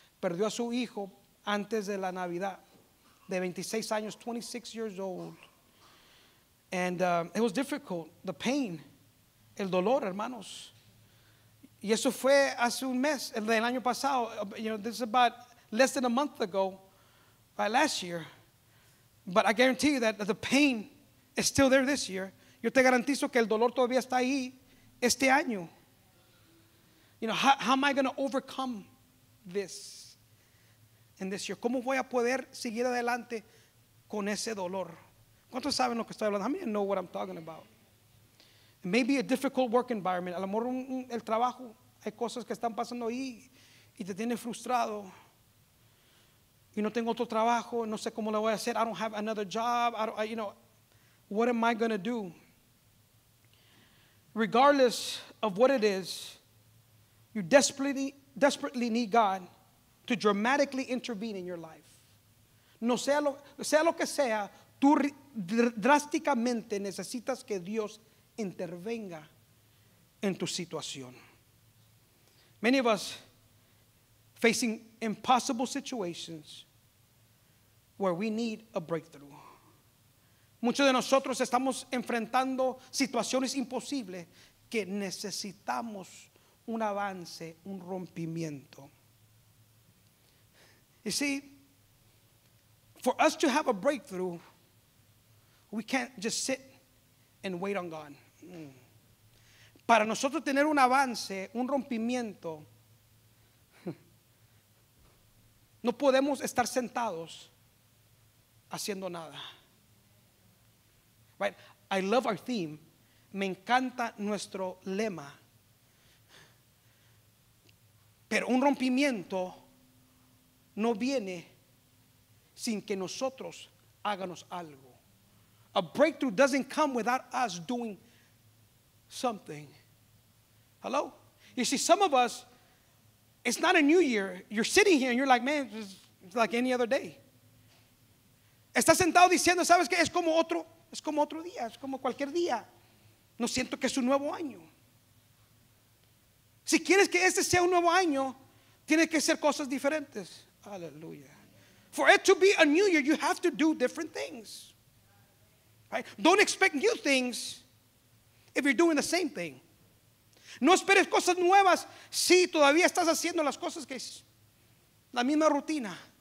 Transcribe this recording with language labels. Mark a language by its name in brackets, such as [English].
[Spanish] Perdió a su hijo antes de la Navidad. De 26 años, [English] 26 years old. And it was difficult. The pain. [Spanish] El dolor, hermanos. Y eso fue hace un mes, el año pasado. [English] You know, this is about less than a month ago. By last year. But I guarantee you that the pain is still there this year. [Spanish] Yo te garantizo que el dolor todavía está ahí. Este año, [English] you know, how am I going to overcome this in this year? [Spanish] ¿Cómo voy a poder seguir adelante con ese dolor? ¿Cuántos saben lo que estoy hablando? [English] How many know what I'm talking about? Maybe a difficult work environment. [Spanish] A lo mejor el trabajo, hay cosas que están pasando ahí y te tiene frustrado. Y no tengo otro trabajo, no sé cómo lo voy a hacer. [English] I don't have another job. What am I going to do? Regardless of what it is, you desperately need God to dramatically intervene in your life. [Spanish] No sea lo que sea, tú drásticamente necesitas que Dios intervenga en tu situación. [English] Many of us facing impossible situations where we need a breakthrough. [Spanish] Muchos de nosotros estamos enfrentando situaciones imposibles que necesitamos un avance, un rompimiento. [English] You see, for us to have a breakthrough, we can't just sit and wait on God. [Spanish] Para nosotros tener un avance, un rompimiento, no podemos estar sentados haciendo nada. [English] Right? I love our theme. [Spanish] Me encanta nuestro lema. Pero un rompimiento no viene sin que nosotros hagamos algo. [English] A breakthrough doesn't come without us doing something. Hello? You see, some of us, it's not a new year. You're sitting here and you're like, man, it's like any other day. [Spanish] Estás sentado diciendo, ¿sabes qué? Es como otro día, es como cualquier día. No siento que es un nuevo año. Si quieres que este sea un nuevo año, tiene que ser cosas diferentes. [English] Aleluya. For it to be a new year, you have to do different things. Right? Don't expect new things if you're doing the same thing. [Spanish] No esperes cosas nuevas si todavía estás haciendo las cosas que es la misma rutina.